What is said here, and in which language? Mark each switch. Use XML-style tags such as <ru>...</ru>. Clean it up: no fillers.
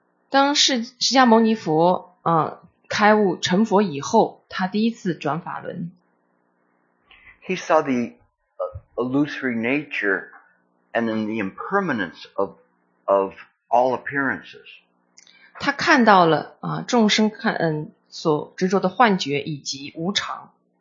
<zh>当释迦牟尼佛开悟成佛以后，他第一次转法轮。</zh> <en>He saw the illusory nature and then the impermanence of all appearances.</en> <zh>他看到了众生看所执着的幻觉以及无常。</zh>